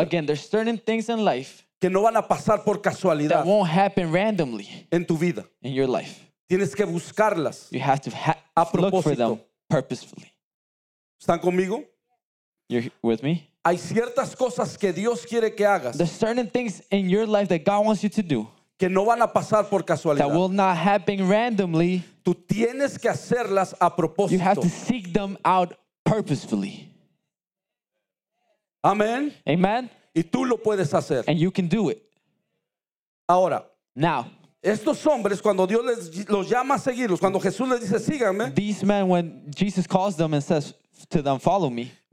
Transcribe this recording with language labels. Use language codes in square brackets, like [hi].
[en] Again, there's certain things in life. [es] Que no van a pasar por casualidad. [en] That won't happen randomly. [es] En tu vida. [en] In your life. [es] Tienes que buscarlas. [en] You have to look for them purposefully. [es] ¿Están conmigo? [en] You're with me? [es] Hay ciertas cosas que Dios quiere que hagas. [en] There's certain things in your life that God wants you to do. [es] Que no van a pasar por casualidad. [en] That will not happen randomly. [es] Tú tienes que hacerlas a propósito. [en] You have to seek them out purposefully. [es] Amen. [en] Amen. [es] Y tú lo puedes hacer. [en] And you can do it. [es] Ahora. [en] Now. [es] Estos hombres, cuando Dios les, los llama a seguirlos, cuando Jesús les dice, síganme. [en] These men, when Jesus calls them and says to them, follow me.